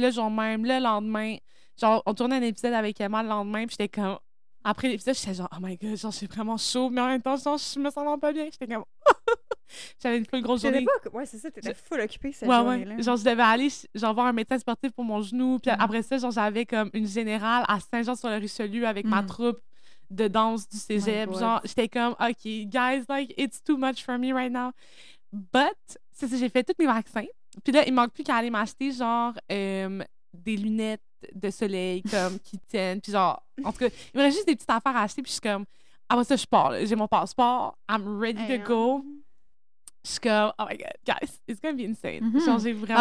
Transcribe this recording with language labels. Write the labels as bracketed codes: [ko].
[fr] Là, genre même, le lendemain, genre, on tournait un épisode avec Emma le lendemain, puis j'étais comme, après l'épisode, j'étais genre, [en] oh my god, [fr] genre, j'ai vraiment chaud, mais en même temps, genre, je me sens vraiment pas bien. J'étais comme, j'avais une plus grosse journée. Ouais, c'est ça, t'étais full occupée cette journée-là. Genre, je devais aller genre, voir un médecin sportif pour mon genou. Puis après ça, genre, j'avais comme une générale à Saint-Jean-sur-le-Richelieu avec ma troupe de danse du cégep. Genre, j'étais comme, [en] OK, guys, like, it's too much for me right now. [fr] But, c'est ça, j'ai fait tous mes vaccins. Puis là, il manque plus qu'à aller m'acheter, genre, des lunettes de soleil comme qui tiennent. Puis genre, en tout cas, il me reste juste des petites affaires à acheter. Puis je suis comme, ah bah ça, je pars. Là. J'ai mon passeport. [en] I'm ready to go. [fr] Je suis comme, [en] oh my god, guys, it's gonna be insane. [fr] Changer vraiment.